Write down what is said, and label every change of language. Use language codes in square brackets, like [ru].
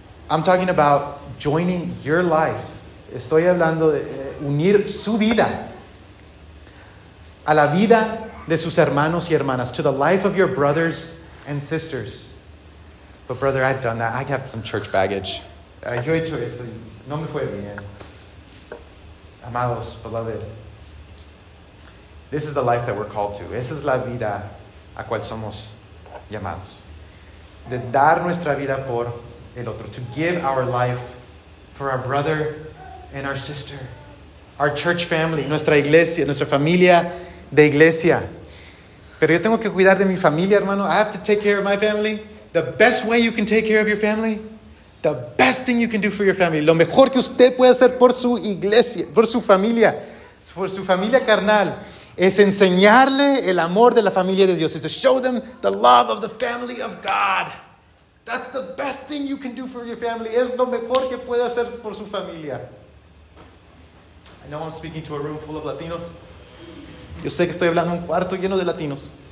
[en] I'm talking about joining your life. [es] Estoy hablando de unir su vida a la vida de sus hermanos y hermanas, [en] to the life of your brothers and sisters. But brother, I've done that. I have some church baggage. [es] Yo he hecho eso. No me fue bien. Amados, [en] beloved. This is the life that we're called to. [es] Esa es la vida a cual somos llamados. De dar nuestra vida por el otro. [en] To give our life for our brother and our sister. Our church family. [es] Nuestra iglesia. Nuestra familia de iglesia. Pero yo tengo que cuidar de mi familia, hermano. [en] I have to take care of my family. The best way you can take care of your family. The best thing you can do for your family. [es] Lo mejor que usted puede hacer por su iglesia. Por su familia. Por su familia carnal. Es enseñarle el amor de la familia de Dios. [en] Is to show them the love of the family of God. That's the best thing you can do for your family. [es] Es lo mejor que puede hacer por su familia. [en] I know I'm speaking to a room full of Latinos. [es] Yo sé que estoy hablando un cuarto lleno de Latinos.